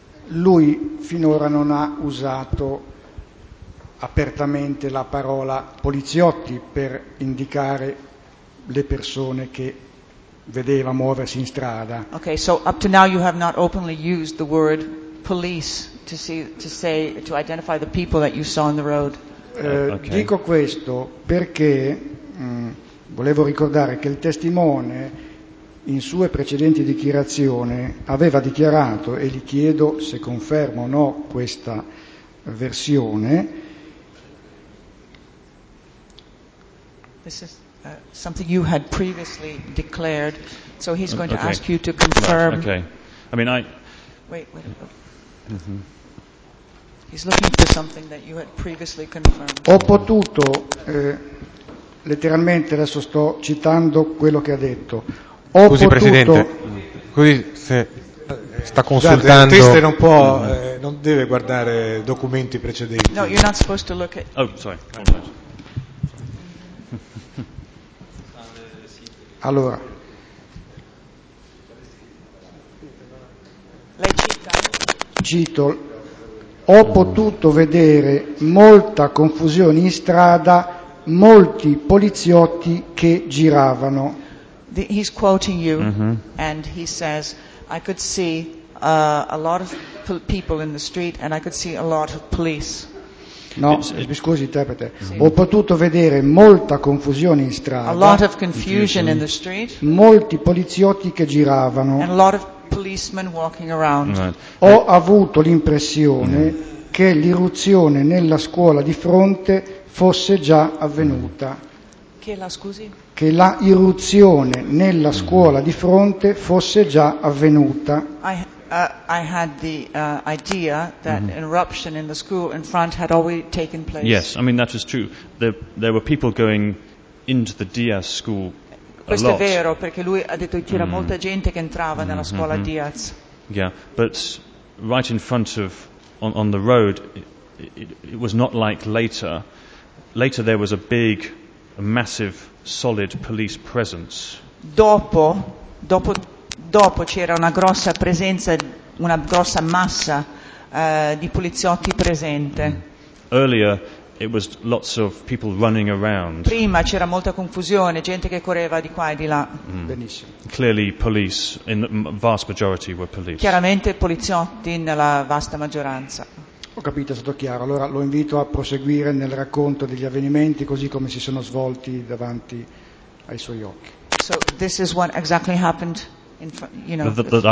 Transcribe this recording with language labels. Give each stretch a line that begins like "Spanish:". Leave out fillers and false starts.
Italian: Lui finora non ha usato apertamente la parola poliziotti per indicare le persone che vedeva muoversi in strada.
English: Ok, so up to now you have not openly used the word police to identify the people that you saw on the road. Okay.
Italian: Dico questo perché volevo ricordare che il testimone in sue precedenti dichiarazioni aveva dichiarato, e gli chiedo se confermo o no questa versione.
English: This is something you had previously declared, so he's going to ask you to confirm. Okay. I mean, Wait. Mm-hmm. He's looking for something that you had previously confirmed.
Italian: Ho potuto, letteralmente, adesso sto citando quello che ha detto. Ho scusi, potuto... Presidente, così se sta consultando... Scusate, il testo non può, non deve guardare documenti precedenti. No, you're not supposed to look at... Oh, sorry. Allora... Lei cita? Cito... Ho potuto vedere molta confusione in strada, molti poliziotti che giravano.
English: He's quoting you, and he says, I could see a lot of people in the street, and I could see a lot of police.
Italian: No, mi scusi, interprete. Ho potuto vedere molta confusione in strada.
English: A lot of confusion in the street.
Italian: Molti poliziotti che giravano.
English: And a lot of policemen walking around. Right.
Italian: Ho avuto l'impressione che l'irruzione nella scuola di fronte fosse già avvenuta. Che la scusi? Che la irruzione nella scuola di fronte fosse già avvenuta.
English: I had the idea that an eruption in the school in front had already taken place. Yes, I mean that is true. There were people going into the Diaz school.
Italian: Questo è vero, perché lui ha detto che c'era molta gente che entrava nella scuola Diaz.
English: Yeah, but right in front of, on the road, it was not like later. Later there was a big, massive, solid police presence.
Italian: Dopo c'era una grossa presenza, una grossa massa di poliziotti presente.
English: Earlier, it was lots of people running around.
Italian: Prima c'era molta confusione, gente che correva di qua e di là. Benissimo.
English: Clearly, police in the vast majority were police.
Italian: Chiaramente poliziotti nella vasta maggioranza. Ho capito, è stato chiaro. Allora lo invito a proseguire nel racconto degli avvenimenti così come si sono svolti davanti ai suoi occhi.
English: So this is what exactly happened in front, you know.